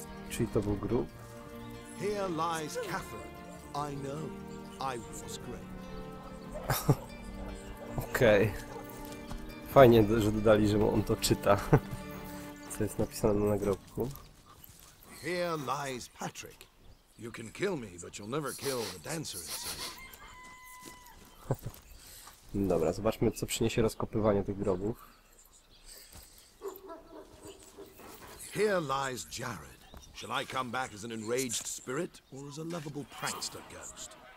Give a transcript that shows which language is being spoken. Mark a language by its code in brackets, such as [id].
[pl] Czyli to był grób? [en] Here lies Catherine. I know. I was great. Okej. Okay. [pl] Fajnie, że dodali, że on to czyta. Co jest napisane na nagrobku. [en] Here lies Patrick. You can kill me, but you'll never kill the dancer inside. [pl] Dobra, zobaczmy, co przyniesie rozkopywanie tych grobów. [en] Here lies Jared. Shall I come back as an enraged spirit or as a lovable prankster ghost?